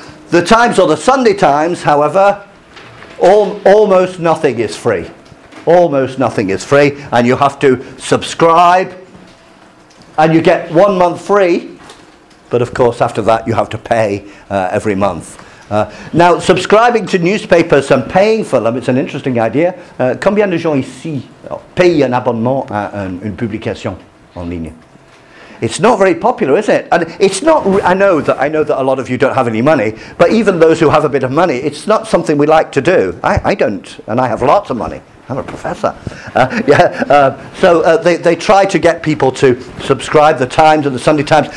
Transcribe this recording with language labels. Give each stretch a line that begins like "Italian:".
English: The Times, or the Sunday Times, however, almost nothing is free. Almost nothing is free, and you have to subscribe, and you get 1 month free. But of course, after that, you have to pay every month. Now, subscribing to newspapers and paying for them, it's an interesting idea.
French: Combien de gens ici payent un abonnement à une publication en ligne?
English: It's not very popular, is it? And it's not. I know that a lot of you don't have any money, but even those who have a bit of money, it's not something we like to do. I don't, and I have lots of money. I'm a professor. So they try to get people to subscribe, the Times and the Sunday Times.